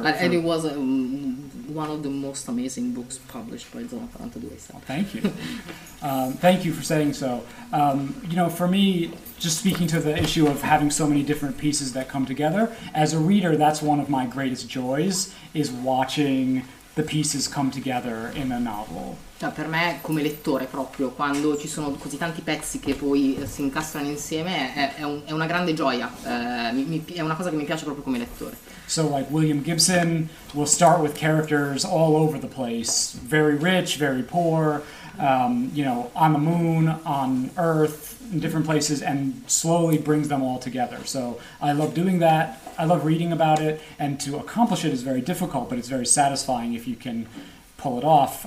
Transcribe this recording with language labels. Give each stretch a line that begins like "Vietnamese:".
English: And it was one of the most amazing books published by Zona 42. Thank you. Thank you for saying so. You know, for me, just speaking to the issue of having so many different pieces that come together, as a reader, that's one of my greatest joys, is watching the pieces come together in a novel.
Italian: Cioè, per me, come lettore proprio, quando ci sono così tanti pezzi che poi si incastrano insieme, è una grande gioia, è una cosa che mi piace proprio come lettore.
English: So like William Gibson will start with characters all over the place, very rich, very poor, you know, on the moon, on earth, in different places, and slowly brings them all together. So I love doing that. I love reading about it, and to accomplish it is very difficult, but it's very satisfying if you can pull it off.